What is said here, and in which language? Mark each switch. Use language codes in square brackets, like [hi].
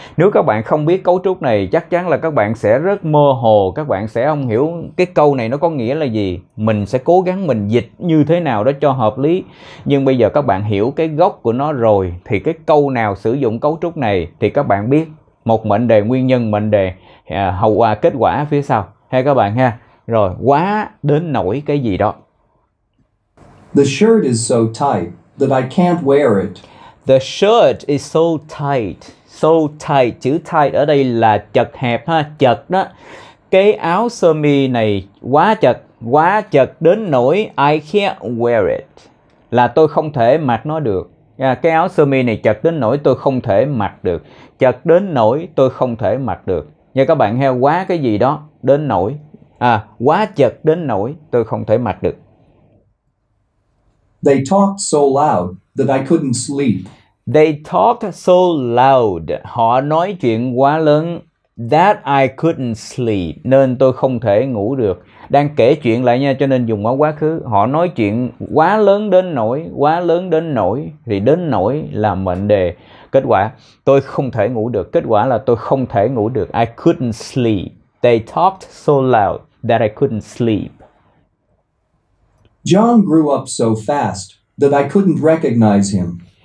[vi] Nếu các bạn không biết cấu trúc này, chắc chắn là các bạn sẽ rất mơ hồ, các bạn sẽ không hiểu cái câu này nó có nghĩa là gì. Mình sẽ cố gắng mình dịch như thế nào đó cho hợp lý. Nhưng bây giờ các bạn hiểu cái gốc của nó rồi, thì cái câu nào sử dụng cấu trúc này thì các bạn biết một mệnh đề nguyên nhân, mệnh đề hậu quả, kết quả phía sau. Hay các bạn ha. Rồi, quá đến nỗi cái gì đó. [en] The shirt is so tight that I can't wear it. The shirt is so tight. [vi] So tight, chữ tight ở đây là chật hẹp ha, chật đó. Cái áo sơ mi này quá chật đến nỗi [en] I can't wear it. [vi] Là tôi không thể mặc nó được. Cái áo sơ mi này chật đến nỗi tôi không thể mặc được. Chật đến nỗi tôi không thể mặc được. Nha các bạn, heo quá cái gì đó, đến nỗi. À, quá chật đến nỗi tôi không thể mặc được. [en] They talked so loud that I couldn't sleep. They talked so loud. [vi] Họ nói chuyện quá lớn. [en] That I couldn't sleep. [vi] Nên tôi không thể ngủ được. Đang kể chuyện lại nha, cho nên dùng ở quá khứ. Họ nói chuyện quá lớn đến nỗi. Quá lớn đến nỗi. Thì đến nỗi là mệnh đề. Kết quả, tôi không thể ngủ được. Kết quả là tôi không thể ngủ được. [en] I couldn't sleep. They talked so loud that I couldn't sleep. John grew up so fast that I couldn't recognize him.